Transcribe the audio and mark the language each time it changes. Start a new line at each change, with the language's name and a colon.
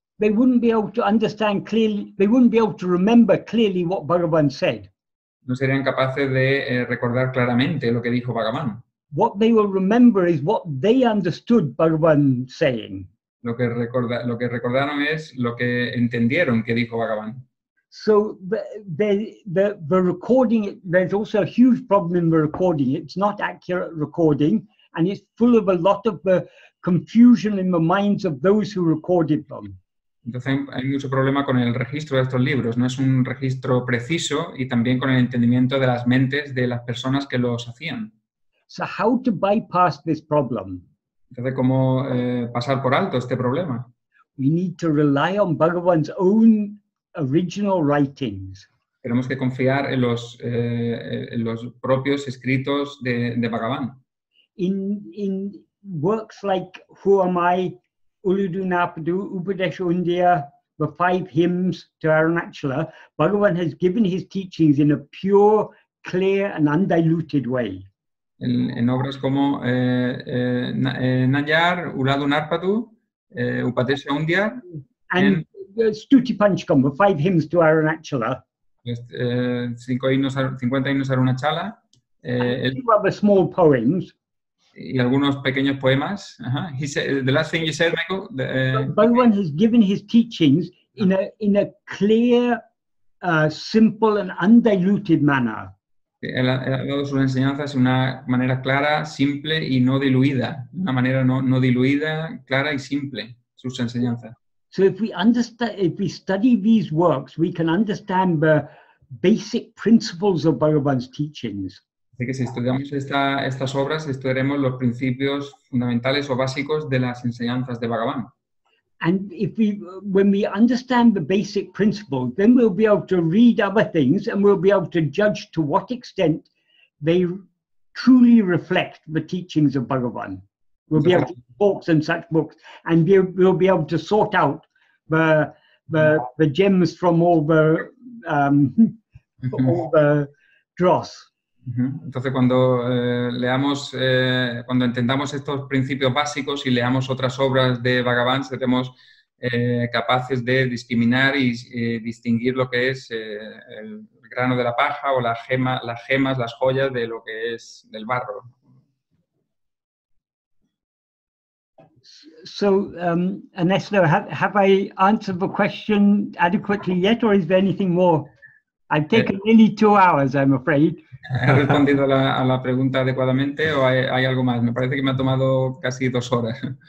English: they wouldn't be able to understand clearly, they wouldn't be able to remember clearly what Bhagavan said.
Spanish: No serían capaces de recordar claramente lo que dijo Bhagavan.
English: What they will remember is what they understood Bhagavan saying.
Spanish: Lo que recordaron es lo que entendieron que dijo Bhagavan.
English: So the recording, there's also a huge problem in the recording. It's not accurate recording, and it's full of a lot of the confusion in the minds of those who recorded them.
Spanish: Entonces hay mucho problema con el registro de estos libros. No es un registro preciso y también con el entendimiento de las mentes de las personas que los hacían.
English: So how to bypass this problem?
Spanish: Entonces, ¿cómo pasar por alto este problema?
English: We need to rely on Bhagavan's own original writings.
Spanish: Tenemos que confiar en los propios escritos de Bhagavan.
English: In works like Who Am I, Uludunapadu, Upadesha Undia, the five hymns to Arunachala, Bhagavan has given his teachings in a pure, clear and undiluted way.
Spanish: En obras como Nayar, Uladunarpadu, Upadesha Undia,
English: and Stuti Panchakam, the five hymns to Arunachala.
Spanish: Cinco himnos a Arunachala.
English: Two other small poems.
Spanish: Y algunos pequeños poemas.
English: The last thing you said, Michael. Bhagavan has given his teachings in a clear, simple and undiluted manner.
Spanish: Él ha dado sus enseñanzas en una manera clara, simple y no diluida. Una manera no diluida, clara y simple, sus enseñanzas.
English: So if we study these works, we can understand the basic principles of Bhagavan's teachings.
Spanish: Así que si estudiamos estas obras, estudiaremos los principios fundamentales o básicos de las enseñanzas de Bhagavan.
English: And when we understand the basic principles, then we'll be able to read other things and we'll be able to judge to what extent they truly reflect the teachings of Bhagavan. We'll be able to read books and such books, and we'll be able to sort out the gems from all the dross.
Spanish: Entonces, cuando cuando entendamos estos principios básicos y leamos otras obras de Bhagavan, seremos capaces de discriminar y distinguir lo que es el grano de la paja o las gemas, las joyas de lo que es del barro.
English: So, Anesla, have I answered the question adequately yet, or is there anything more? I've taken nearly 2 hours, I'm afraid.
Spanish: ¿Has respondido a la pregunta adecuadamente o hay algo más? Me parece que me ha tomado casi 2 horas.